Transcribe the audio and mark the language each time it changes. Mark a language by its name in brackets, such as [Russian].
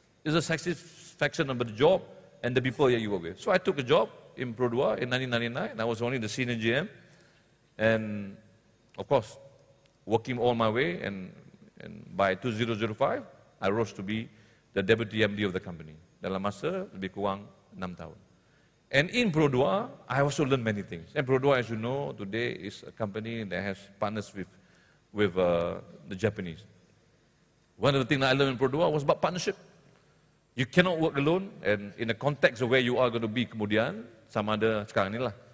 [English] It's a satisfaction of the job and the people that you work with. So I took a job in Produa in 1999. I was only the senior GM. And of course, working all my way. And by 2005, I rose to be the deputy MD of the company. [Malay] Dalam masa lebih kurang 6 tahun. [English] And in Produa, I also learned many things. And Produa, as you know, today is a company that has partners with the Japanese. One of the things that I learned in Produa was about partnership. You cannot work alone, and in the context of where you are going to be [Malay] kemudian, sama ada sekarang ni lah.